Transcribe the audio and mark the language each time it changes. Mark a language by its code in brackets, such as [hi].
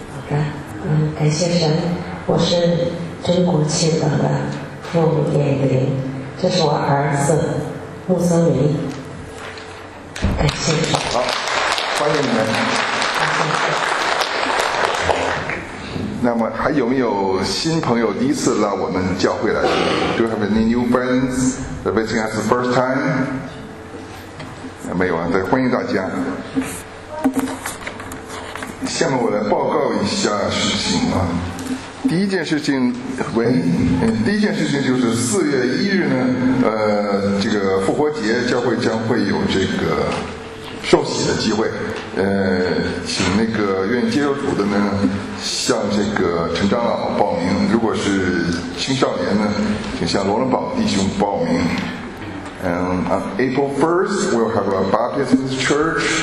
[zh] 好的，感谢神，我是真国七等的傅艳玲，这是我儿子穆泽林，感谢。好，欢迎你们。那么还有没有新朋友第一次来我们教会来的？ [en] Do you have any new friends visiting us the first time? [zh] 没有啊，对，欢迎大家。下面我来报告一下事情啊。第一件事情，喂，第一件事情就是4月1日呢，这个复活节教会将会有这个受洗的机会，请那个愿意接受主的呢，向这个陈长老报名；如果是青少年呢，请向罗伦堡弟兄报名。 [en] On April 1st, we'll have a baptism in the church.